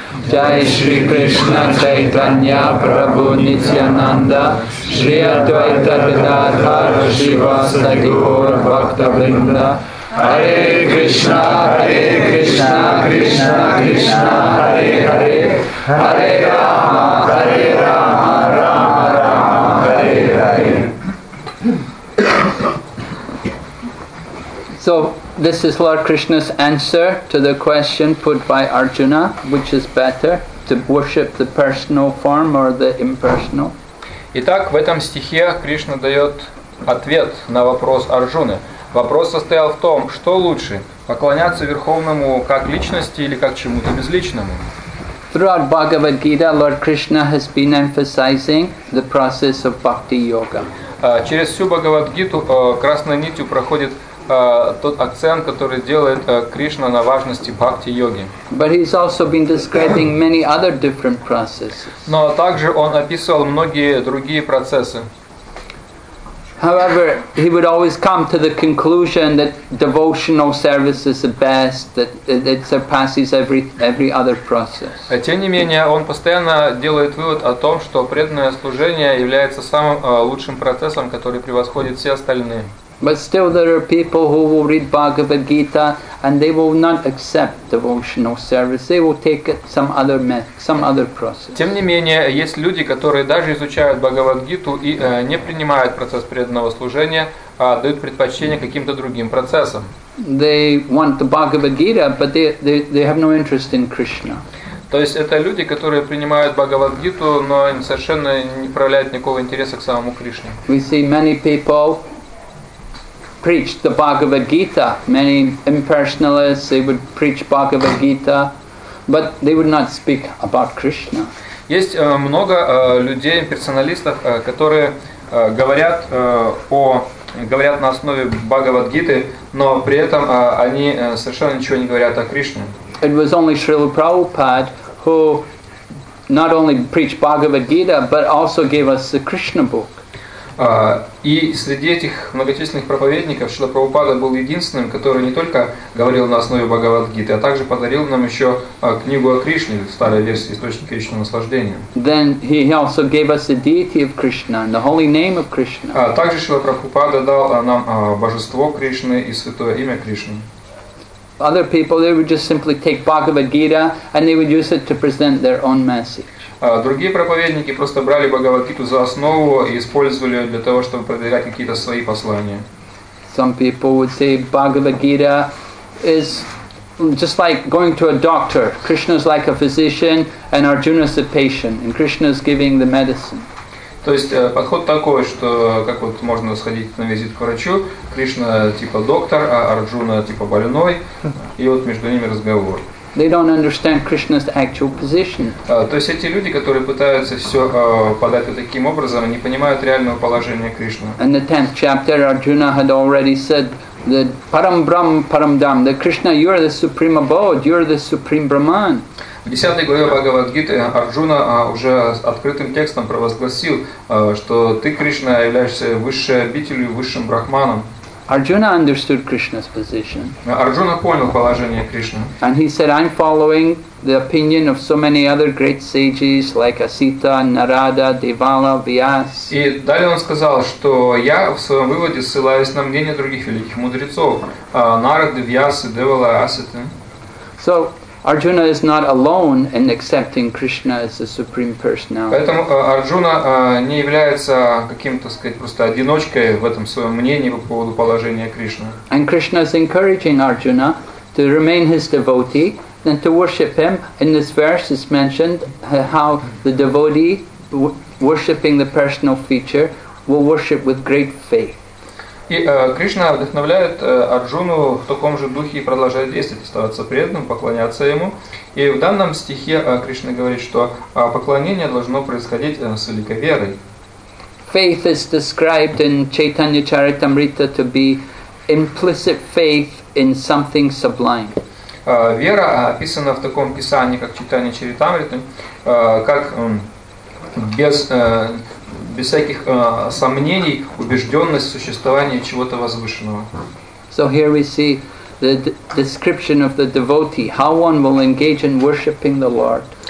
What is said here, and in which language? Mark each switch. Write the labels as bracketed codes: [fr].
[sa] Джай Шри Кришна Чайтанья Прабху Нитьянанда Шри Адвайта Гададхар Шриваса Гаур Бхакта Вринда Харе Кришна Харе Кришна Кришна Кришна Харе Харе Харе Рама Харе Рама Рама Рама Харе Харе. [en] So this is Lord Krishna's answer to the question put by Arjuna, which is better, to worship the personal form or the impersonal? [ru] Итак, в этом стихе Кришна дает ответ на вопрос Арджуны. Вопрос состоял в том, что лучше, поклоняться Верховному как личности или как чему-то безличному? [en] Throughout Bhagavad Gita, Lord Krishna has been emphasizing the process of bhakti yoga. [ru] Через всю Бхагавад-гиту красной нитью проходит тот акцент, который делает Кришна на важности бхакти-йоги. [en] But he's also been describing many other different processes. [ru] Но также он описывал многие другие процессы. [en] However, he would always come to the conclusion that devotional service is the best, that it surpasses every other process. [ru] Тем не менее, он постоянно делает вывод о том, что преданное служение является самым лучшим процессом, который превосходит все остальные. [en] But still there are people who will read Bhagavad Gita and they will not accept devotional service. They will take it some other process. [ru] Тем не менее, есть люди, которые даже изучают Бхагавад-гиту и не принимают процесс преданного служения, а дают предпочтение каким-то другим процессам. [en] They want the Bhagavad Gita, but they have no interest in Krishna. [ru] То есть это люди, которые принимают Бхагавад-гиту, но совершенно не проявляют никакого интереса к самому Кришне. [en] We see many people preach the Bhagavad Gita. Many impersonalists, they would preach Bhagavad Gita, but they would not speak about Krishna. [ru] Есть много людей, имперсоналистов, которые говорят на основе Бхагавад Гиты, но при этом они совершенно ничего не говорят о Кришне. [en] It was only Srila Prabhupada who not only preached Bhagavad Gita, but also gave us the Krishna book. [ru] И среди этих многочисленных проповедников Шрила Прабхупада был единственным, который не только говорил на основе Бхагавад-гиты, а также подарил нам еще книгу о Кришне, старая версия источника вечного наслаждения. [en] Then he also gave us the deity of Krishna, the holy name of Krishna. [ru] Также Шрила Прабхупада дал нам божество Кришны и святое имя Кришны. [en] other people, they would just simply take Bhagavad Gita and they would use it to present their own message. [ru] Другие проповедники просто брали Бхагавад-гиту за основу и использовали ее для того, чтобы продвигать какие-то свои послания. [en] Some people would say Bhagavad-gita is just like going to a doctor. Krishna is like a physician and Arjuna is a patient and Krishna is giving the medicine. [ru] То есть подход такой, что как вот можно сходить на визит к врачу, Кришна типа доктор, а Арджуна типа больной, и вот между ними разговор. [en] They don't understand Krishna's actual position. [ru] То есть эти люди, которые пытаются все подать вот таким образом, не понимают реального положения Кришны. [en] In the 10th chapter, Arjuna had already said that [sa] Param Brahm Param Dham, [en] that Krishna, you are the supreme abode, you are the supreme Brahman. [ru] В 10 главе Бхагавад-гиты Арджуна уже открытым текстом провозгласил, что ты, Кришна, являешься высшей обителью, высшим брахманом. [en] Arjuna understood Krishna's position. [ru] Arjuna понял положение Кришны. [en] And he said, I'm following the opinion of so many other great sages like Asita, Narada, Devala, Vyas. [ru] И далее он сказал, что я в своем выводе ссылаюсь на мнение других великих мудрецов, Нарады, Вьясы, Девала, Аситы. [en] So Arjuna is not alone in accepting Krishna as the supreme personality. [ru] Поэтому Арджуна не является каким-то, так сказать, просто одиночкой в этом своем мнении по поводу положения Кришны. [en] And Krishna is encouraging Arjuna to remain his devotee and to worship him. In this verse is mentioned how the devotee worshiping the personal feature will worship with great faith. [ru] И Кришна вдохновляет Арджуну в таком же духе и продолжает действовать, оставаться преданным, поклоняться ему. И в данном стихе Кришна говорит, что поклонение должно происходить с великой верой. [en] Faith is described in Chaitanya Charitamrita to be implicit faith in something sublime. [ru] Вера описана в таком писании, как Чайтанья Чаритамрита, как без всяких сомнений, убежденность в существовании чего-то возвышенного. [en] So here we see the description of the devotee, how one will engage in worshiping the Lord.